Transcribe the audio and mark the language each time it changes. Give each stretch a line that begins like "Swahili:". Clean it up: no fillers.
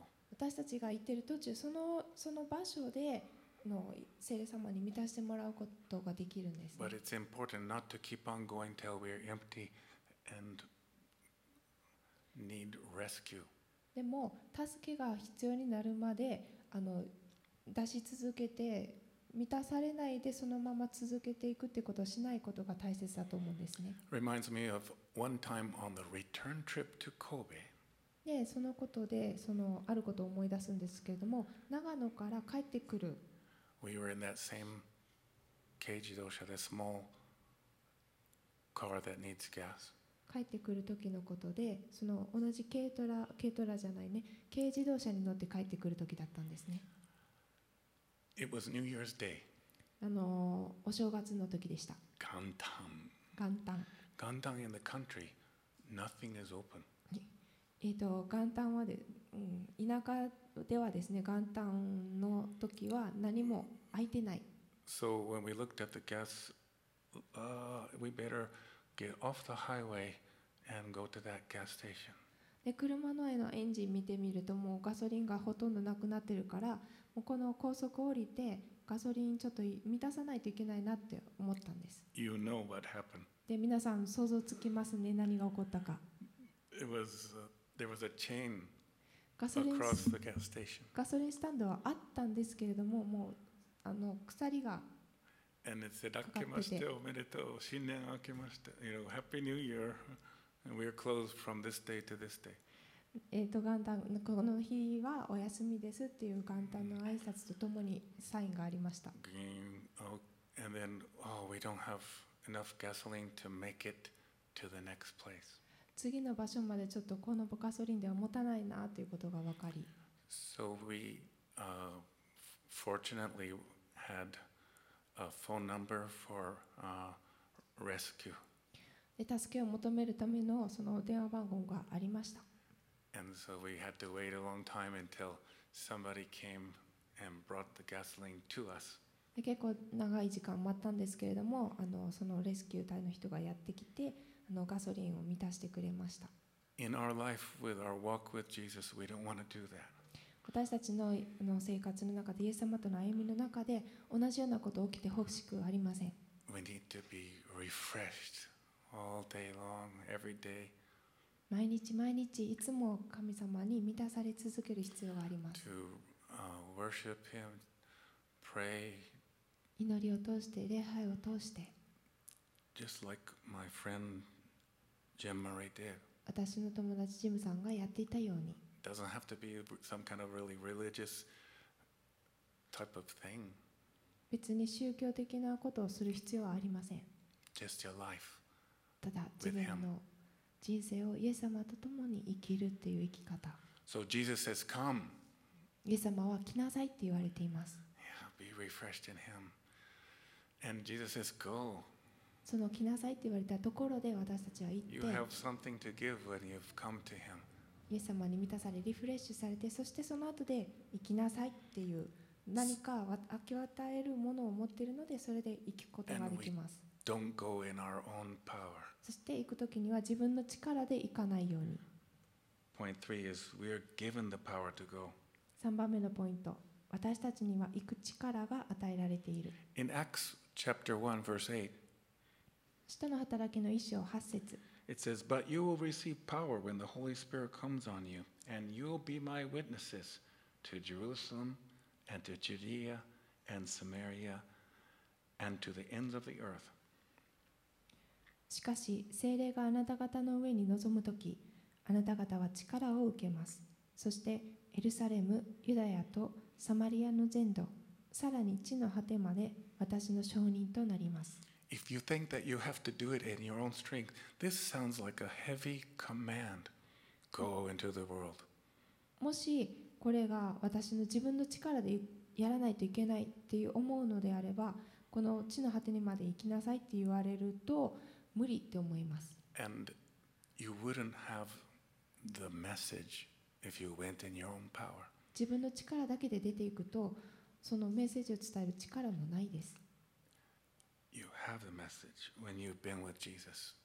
Japanese: 私たちが行っている途中、その場所での聖霊様に満たしてもらうことができるんです、ね、
English: But it's important not to keep on going till we're empty and need rescue.
Japanese: でも助けが必要になるまで出し続けて満たされないでそのまま続けていくってことをしないことが大切だと思うんですね。
English: Reminds me of one time on the return trip to Kobe.
Japanese: で、そのことでそのあることを思い出すんですけれども、長野から帰ってくる。
English: We were in that same 軽自動車, the small car that needs gas.
Japanese: 帰ってくる時のことで、その同じ軽トラじゃないね、軽自動車に乗って帰ってくる時だったんですね。
English: It was New Year's Day.
Japanese: お正月の時でした。元旦。
English: 元旦 in the country, nothing is open.
Japanese: 元旦はで、田舎ではですね、元旦の時は何も開いてない。
English: So when we looked at the gas, we better get off the highway and go to that gas station.
Japanese: で、車の前のエンジン見てみると、もうガソリンがほとんどなくなってるから、もうこの高速降りてガソリンちょっと満たさないといけないなって思ったんです。
English: You know what happened.
Japanese: で、皆さん想像つきますね、何が起こったか。
English: It was, there was a chain across the gas station.
Japanese: ガソリンスタンドはあったんですけれども、もう鎖がかかってて。明けましておめでとう、新年明けまして、
English: you know, Happy New Year, and we are closed from this day to this day.
Japanese: 元旦この日はお休みですっていう元旦の挨拶とともにサインがありました。
English: Green, oh, and then, oh, we don't have enough gasoline to make it to the next place.
Japanese: 次の場所までちょっとこのガソリンでは持たないなということが分かり。
English: So we, fortunately had a phone number for rescue.
Japanese: で、助けを求めるためのその電話番号がありました。
English: And so we had to wait a long time until somebody came and brought the gasoline to us.
Japanese: 結構長い時間待ったんですけれども、そのレスキュー隊の人がやってきて、ガソリンを満たしてくれました。
English: In our life, with our walk with Jesus, we don't want to do that.
Japanese: 私たちの生活の中で、イエス様との歩みの中で、同じようなことが起きてほしくありません。
English: We need to be refreshed all day long, every day.
Japanese: 毎日毎日、いつも神様に満たされ続ける必要があります。
English: To worship Him, pray.
Japanese: 祈りを通して、礼拝を通して。
English: Just like my friend Jim Murray did.
Japanese: 私の友達、ジムさんがやっていたように。
English: Doesn't have to be some kind of really religious type of thing.
Japanese: 別に宗教的なことをする必要はありません。
English: Just your life.
Japanese: ただ自分の人生をイエス様と共に生きるっていう生き方。
English: So Jesus says, "Come."
Japanese: イエス様は来なさいって言われています。
English: Yeah, be refreshed in Him. And Jesus says, "Go."
Japanese: その来なさいって言われたところで私たちは行って。
English: You have something to give when you've come to Him.
Japanese: イエス様に満たされリフレッシュされて、そしてその後で行きなさいっていう何か明け与えるものを持っているので、それで行くことができます。
English: And we don't go in our own power.
Japanese: そして行くときには自分の力で行かないように。
English: Point three is we are given the power to go.
Japanese: 3番目のポイント、私たちには行く力が与えられている。
English: In Acts chapter 1 verse 8,
Japanese: 使徒の働きの1章8節、
English: It says, "But you will receive power when the Holy Spirit comes on you, and you will be my witnesses to Jerusalem, and to Judea, and Samaria, and to the ends of the earth."
Japanese: しかし、聖霊があなた方の上に臨むとき、あなた方は力を受けます。そして、エルサレム、ユダヤとサマリアの全土、さらに地の果てまで私の証人となります。
English: If you think that you have to do it in your own strength, this sounds like a heavy command. Go into the world.
Japanese: もしこれが私の自分の力でやらないといけないって思うのであれば、この地の果てにまで行きなさいって言われると無理って思います。
English: And you wouldn't have the message if you went in your own power.
Japanese: 自分の力だけで出ていくと、そのメッセージを伝える力もないです。
English: You have the message when you've been with Jesus.